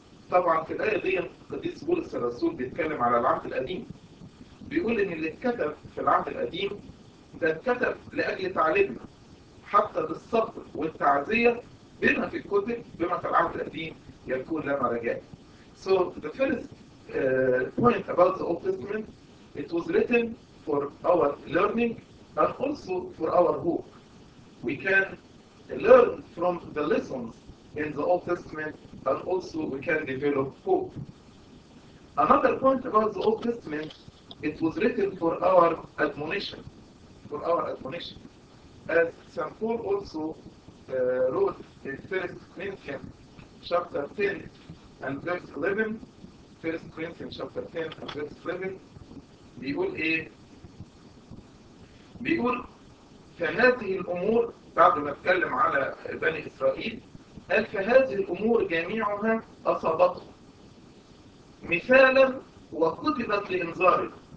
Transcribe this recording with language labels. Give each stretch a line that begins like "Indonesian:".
Arabic: طبعا في الآية دي قديس بولس الرسول بيتكلم على العهد القديم، بيقول إن اللي اتكتب في العهد القديم ده اتكتب لأجل تعليمنا حتى بالصبر والتعزية بما في الكتب بما في العهد القديم يكون لنا رجاء.
English: So the first point about the Old Testament, it was written for our learning and also for our hope. We can learn from the lessons in the Old Testament and also we can develop hope. Another point about the Old Testament, it was written for our admonition, for our admonition. As St. Paul also wrote in 1 Corinthians chapter 10, and verse 11,
Arabic: 1 Corinthians chapter 10 and verse 11, بيقول إيه؟ بيقول فهذه الأمور، بعد ما اتكلم على بني إسرائيل، قال فهذه الأمور جميعها أصابتهم مثالا وكتبت لإنذارهم.